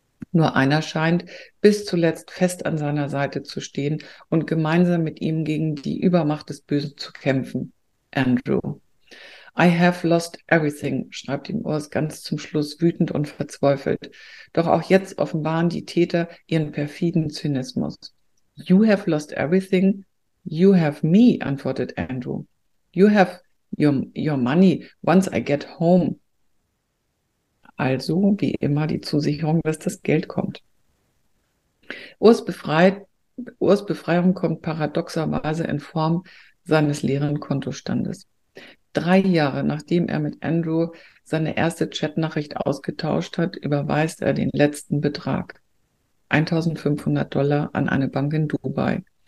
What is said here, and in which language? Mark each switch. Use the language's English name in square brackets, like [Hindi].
[German] Nur einer scheint bis zuletzt fest an seiner Seite zu stehen und gemeinsam mit ihm gegen die Übermacht des Bösen zu kämpfen. Andrew. [English] I have lost everything, [German] schreibt ihm Urs ganz zum Schluss wütend und verzweifelt. Doch auch jetzt offenbaren die Täter ihren perfiden Zynismus. [English] You have lost everything? You have me, [German] antwortet [English] Andrew. You have your money once I get home. [German] Also, wie immer, die Zusicherung, dass das Geld kommt. Urs Befreiung kommt paradoxerweise in Form seines leeren Kontostandes. 3 Jahre, nachdem er mit Andrew seine erste Chatnachricht ausgetauscht hat, überweist er den letzten Betrag, $1,500, an eine Bank in Dubai.